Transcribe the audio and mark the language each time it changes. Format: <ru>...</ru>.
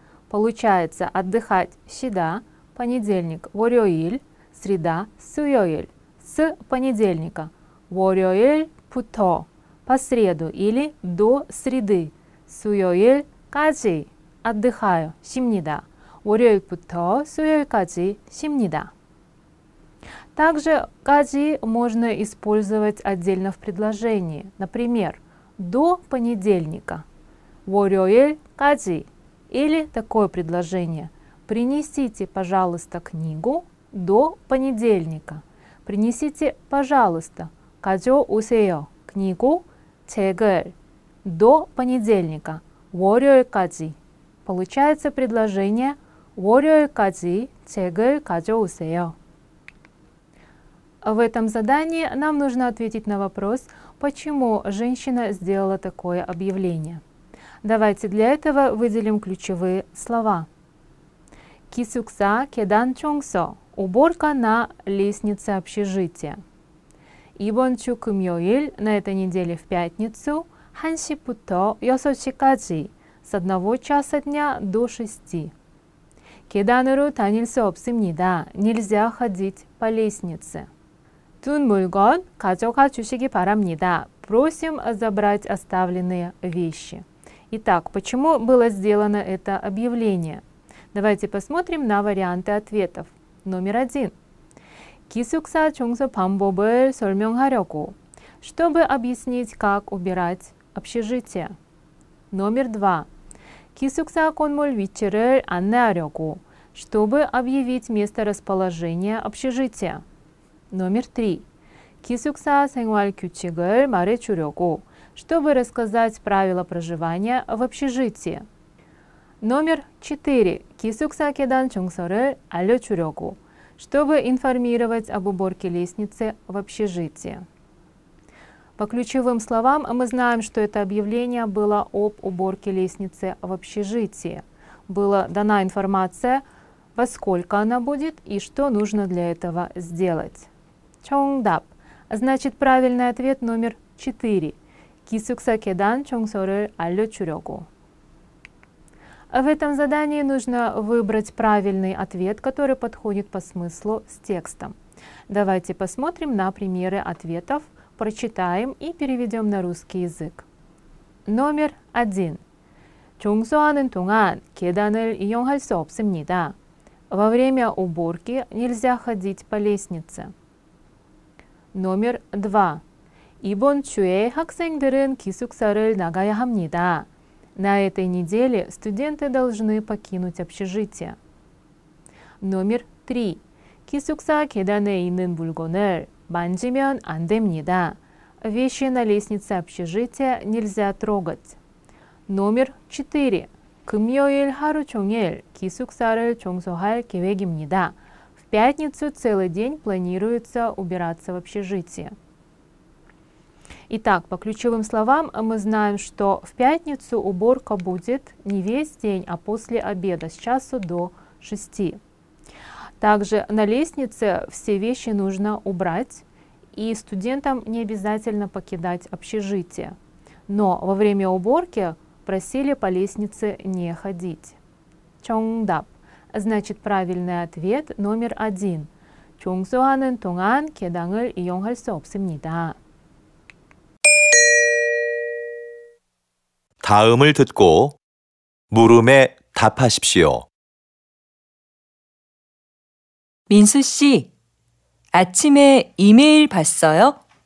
<ru>Получается отдыхать</ru> <ko>쉬다</ko> <ru>понедельник</ru> <ko>월요일,</ko> <ru>среда</ru> <ko>수요일</ko> <ru>с понедельника</ru> <ko>월요일부터</ko> <ru>по среду или до среды</ru> <ko>수요일까지</ko> <ru>отдыхаю</ru> <ko>쉽니다. 월요일부터 수요일까지 쉽니다.</ko> <ru>Также «까지» можно использовать отдельно в предложении. Например, «до понедельника»</ru> <ko>월요일까지</ko> <ru>или такое предложение «принесите, пожалуйста, книгу до понедельника». «Принесите, пожалуйста,</ru> <ko>가져오세요</ko> <ru>книгу</ru> <ko>책을</ko> <ru>до понедельника</ru> <ko>월요일까지».</ko> <ru>Получается предложение</ru> <ko>월요일까지 책을 가져오세요.</ko> <ru>В этом задании нам нужно ответить на вопрос, почему женщина сделала такое объявление. Давайте для этого выделим ключевые слова.</ru> <ko>기숙사 계단 청소.</ko> <ru>Уборка на лестнице общежития.</ru> <ko>이번 주 금요일,</ko> <ru>на этой неделе в пятницу,</ru> <ko>1시부터 6시까지,</ko> <ru>с 1 часа дня до 6.</ru> <ko>계단으로 다닐 수 없습니다.</ko> <ru>Нельзя ходить по лестнице.</ru> <ko>둔 물건 가져가 주시기 바랍니다.</ko> <ru>Просим забрать оставленные вещи. Итак, почему было сделано это объявление? Давайте посмотрим на варианты ответов. Номер один.</ru> <ko>기숙사 청소 방법을 설명하려고.</ko> <ru>Чтобы объяснить, как убирать общежитие. Номер два.</ru> <ko>기숙사 건물 위치를 안내하려고,</ko> <ru>чтобы объявить место расположения общежития. Номер три.</ru> <ko>기숙사 생활 규칙을 말해주려고,</ko> <ru>чтобы рассказать правила проживания в общежитии. Номер 4.</ru> <ko>기숙사 계단 정서를 알려주려고,</ko> <ru>чтобы информировать об уборке лестницы в общежитии. По ключевым словам мы знаем, что это объявление было об уборке лестницы в общежитии. Была дана информация, во сколько она будет и что нужно для этого сделать.</ru> <ko>정답.</ko> <ru>Значит, правильный ответ номер 4.</ru> <ko>기숙사 계단 정서를 알려주려고.</ko> <ru>В этом задании нужно выбрать правильный ответ, который подходит по смыслу с текстом. Давайте посмотрим на примеры ответов, прочитаем и переведем на русский язык. Номер 1.</ru> <ko>청소하는 동안 계단을 이용할 수 없습니다.</ko> <ru>Во время уборки нельзя ходить по лестнице. Номер 2.</ru> <ko>이번 주에 학생들은 기숙사를 나가야 합니다.</ko> <ru>На этой неделе студенты должны покинуть общежитие. Номер 3.</ru> <ko>기숙사 계단에 있는 물건을 만지면 안 됩니다.</ko> <ru>Вещи на лестнице общежития нельзя трогать. Номер 4.</ru> <ko>금요일 하루 종일 기숙사를 청소할 계획입니다.</ko> <ru>В пятницу целый день планируется убираться в общежитии. Итак, по ключевым словам мы знаем, что в пятницу уборка будет не весь день, а после обеда, с часу до шести. Также на лестнице все вещи нужно убрать, и студентам не обязательно покидать общежитие. Но во время уборки просили по лестнице не ходить.</ru> <ko>정답.</ko> <ru>Значит, правильный ответ номер один.</ru> <ko>청소하는 동안 계단을 이용할 수 없습니다. 다음을 듣고 물음에 답하십시오. 민수 씨, 아침에 이메일 봤어요?</ko>